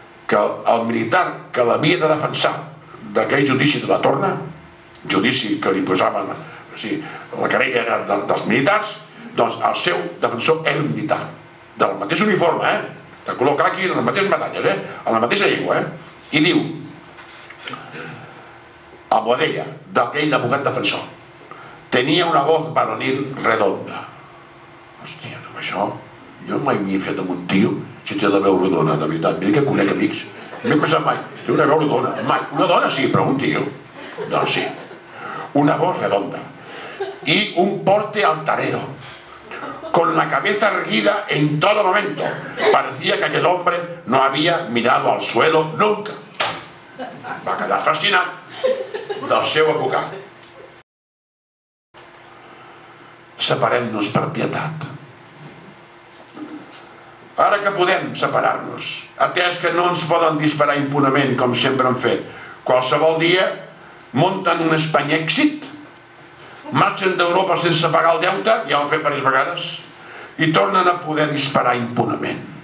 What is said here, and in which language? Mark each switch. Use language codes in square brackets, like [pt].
[ca] que el militar que l'havia de defensar d'aquell judici de la torna, judici que li posaven, o sigui, la querella era dels militars, doncs el seu defensor era un militar, del mateix uniforme, de color caqui, en les mateixes medalles, en la mateixa llengua, i diu, a Boadella, d'aquell abogat defensor, tenia [es] una voz varonil redonda. [ca] Hòstia, amb això, jo mai m'hi he fet amb un tio si té la veu rodona, de veritat, mira que conec amics. No he pensat mai, té una veu rodona, mai. Una dona sí, però un tio. Doncs sí, [es] una voz redonda. I un porte altanero, con la cabeza erguida en todo momento. Parecía que aquel hombre no había mirado al suelo nunca. [ca] Va quedar fascinat del seu abogat. Separem-nos per pietat. Ara que podem separar-nos, atès que no ens poden disparar impunament com sempre han fet, qualsevol dia munten un Espanya èxit, marxen d'Europa sense pagar el deute, ja ho han fet diverses vegades, i tornen a poder disparar impunament.